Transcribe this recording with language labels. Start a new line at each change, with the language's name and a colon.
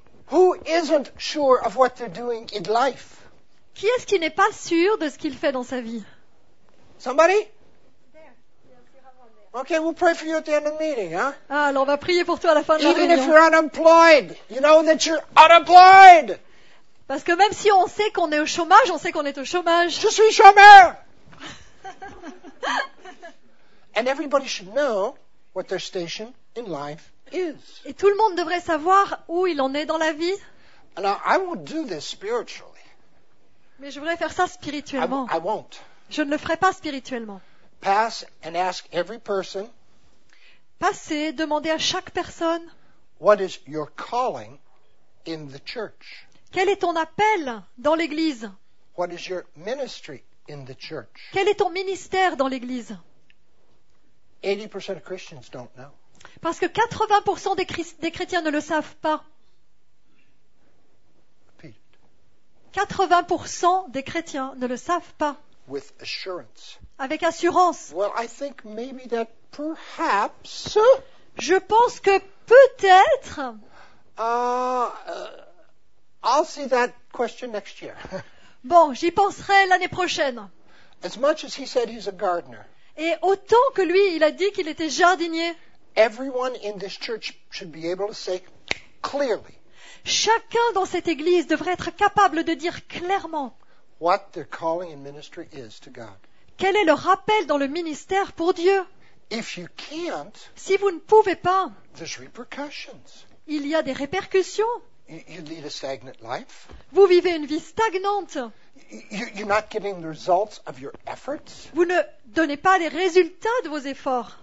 English: Who isn't sure of what they're doing in life?
French: Qui est-ce qui n'est pas sûr de ce qu'il fait dans sa vie?
English: Somebody? Okay, we'll pray for you at the end of the meeting, huh?
French: Ah, alors on va prier pour toi à la fin de la réunion.
English: Even if you're unemployed, you know that you're unemployed.
French: Parce que même si on sait qu'on est au chômage, on sait qu'on est au chômage. Je suis chômeur.
English: And everybody should know what their station in life is.
French: Et tout le monde devrait savoir où il en est dans la vie.
English: Now, I won't do this spiritually.
French: Mais je voudrais faire ça spirituellement.
English: I won't.
French: Je ne le ferai pas spirituellement.
English: Pass and ask every person.
French: Passez, demandez à chaque personne.
English: What is your calling in the church?
French: Quel est ton appel dans l'Église?
English: What is your ministry in the church?
French: Quel est ton ministère dans l'Église?
English: 80% of Christians don't know.
French: Parce que 80% des chrétiens ne le savent pas. 80% des chrétiens ne le savent pas.
English: With assurance.
French: Avec assurance.
English: Well, I think maybe that perhaps...
French: Je pense que peut-être...
English: I'll see that question next year.
French: Bon, j'y penserai l'année prochaine.
English: As much as he said he's a gardener.
French: Et autant que lui, il a dit qu'il était jardinier.
English: Everyone in this church should be able to say clearly.
French: Chacun dans cette église devrait être capable de dire clairement
English: what their calling and ministry is to God.
French: Quel est leur appel dans le ministère pour Dieu.
English: If you can't,
French: si vous ne pouvez pas,
English: there's repercussions.
French: Il y a des répercussions.
English: You lead a stagnant life.
French: Vous vivez une vie stagnante.
English: You're not getting the results of your efforts.
French: Vous ne donnez pas les résultats de vos efforts.